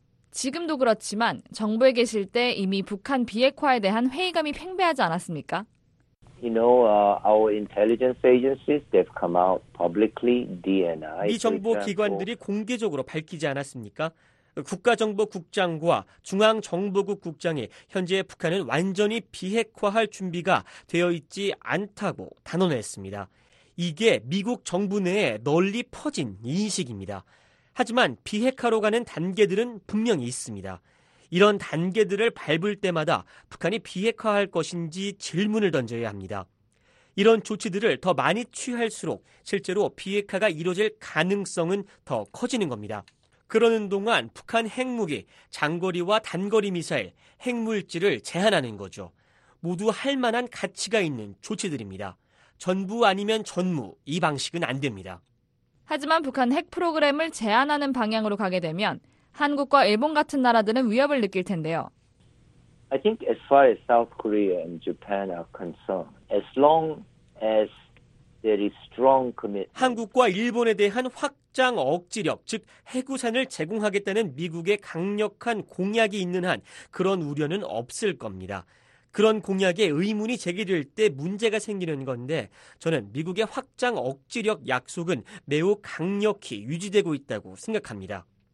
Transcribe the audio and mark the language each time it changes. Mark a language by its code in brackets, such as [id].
[ko] 지금도 그렇지만 정부에 계실 때 이미 북한 비핵화에 대한 회의감이 팽배하지 않았습니까? [en] our intelligence agencies, they've come out publicly, DNI. [ko] 미 정보 기관들이 공개적으로 밝히지 않았습니까? 국가정보국장과 중앙정보국 국장이 현재 북한을 완전히 비핵화할 준비가 되어 있지 않다고 단언했습니다. 이게 미국 정부 내에 널리 퍼진 인식입니다. 하지만 비핵화로 가는 단계들은 분명히 있습니다. 이런 단계들을 밟을 때마다 북한이 비핵화할 것인지 질문을 던져야 합니다. 이런 조치들을 더 많이 취할수록 실제로 비핵화가 이루어질 가능성은 더 커지는 겁니다. 그러는 동안 북한 핵무기, 장거리와 단거리 미사일, 핵물질을 제한하는 거죠. 모두 할 만한 가치가 있는 조치들입니다. 전부 아니면 전무, 이 방식은 안 됩니다. 하지만 북한 핵 프로그램을 제한하는 방향으로 가게 되면 한국과 일본 같은 나라들은 위협을 느낄 텐데요. [en] I think as far as South Korea and Japan are concerned, as long as there is strong commitment. [ko] 한국과 일본에 대한 확장 억지력, 즉 핵우산을 제공하겠다는 미국의 강력한 공약이 있는 한 그런 우려는 없을 겁니다. 그런 공약에 의문이 제기될 때 문제가 생기는 건데 저는 미국의 확장 억지력 약속은 매우 강력히 유지되고 있다고 생각합니다.